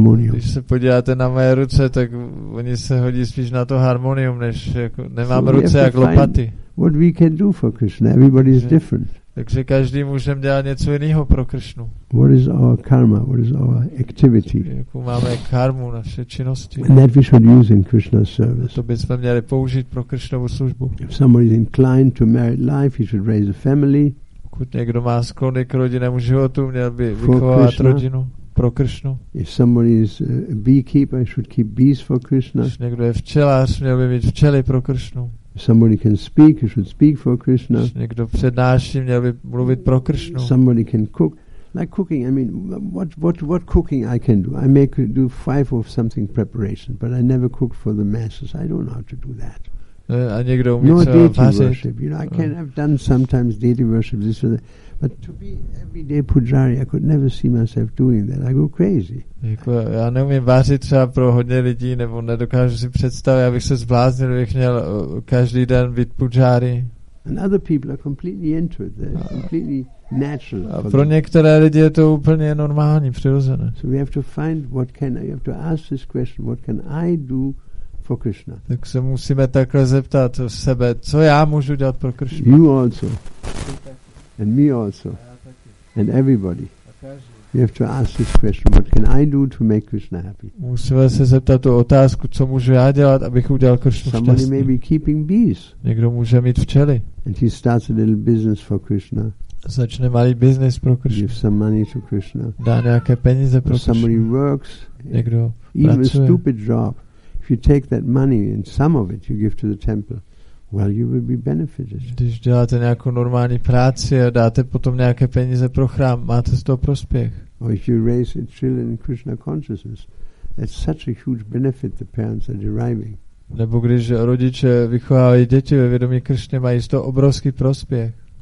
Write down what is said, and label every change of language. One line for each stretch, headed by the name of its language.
Czech: Když se podíváte na moje ruce, tak oni se hodí spíš na to harmonium, než jako nemám ruce jak lopaty.
English: What we can do for Krishna, everybody is different.
Czech: Takže každý můžeme dělat něco jiného pro Krishnu.
English: What is our karma? What is our activity?
Czech: Jakou máme karmu, naše činnosti.
English: And that we should use in Krishna's service.
Czech: To bychom měli použít pro Krishnovu službu.
English: If somebody is inclined to married life, he should raise a family.
Czech: Pokud někdo má sklony k rodinnému životu, měl by vychovávat rodinu pro Krishnu.
English: If somebody is a beekeeper, he should keep bees for Krishna.
Czech: Když někdo je včelař, měl by mít včely pro Krishnu.
English: Somebody can speak, you should speak for Krishna.
Czech: Někdo přednáší, měl by mluvit pro Krishnu.
English: Somebody can cook. Like cooking, I mean, what cooking I can do? I may do 5 of something preparation, but I never cook for the masses. I don't know how to do that.
Czech: A někdo umí třeba
English: deity worship. You know, I can have done sometimes deity worship, this or that. But to be everyday pujari, I could never see myself doing that. I go crazy.
Czech: Já neumím vařit třeba pro hodně lidí, nebo nedokážu si představit, abych se zbláznil, abych měl každý den být pujari.
English: And other people are completely into it. They're completely natural.
Czech: A pro některé lidi je to úplně normální, přirozené.
English: So we have to find what can I, you have to ask this question, what can I do for Krishna?
Czech: Tak se musíme takhle zeptat sebe, co já můžu dělat pro Krishna?
English: You also. And me also. And everybody. We have to ask this question, what can I do to make Krishna happy?
Czech: Musíme se zeptat tu otázku, co můžu já dělat, abych udělal Krishnu šťastný.
English: Somebody may be keeping bees.
Czech: Někdo může mít včely.
English: And he starts a little business for Krishna.
Czech: Začne malý business pro Krishna.
English: Give some money to Krishna.
Czech: Dá nějaké peníze pro Krishna.
English: Somebody works.
Czech: Někdo
English: pracuje. Even a stupid job. If you take that money and some of it you give to the temple, well, you will be benefited.
Czech: Když děláte nějakou normální práci a dáte potom nějaké peníze pro chrám, máte z toho prospěch.
English: Or if you raise a child in Krishna consciousness, that's such a huge benefit the parents are deriving.
Czech: Nebo když rodiče vychovávají děti ve vědomí Krišny, mají z toho obrovský prospěch.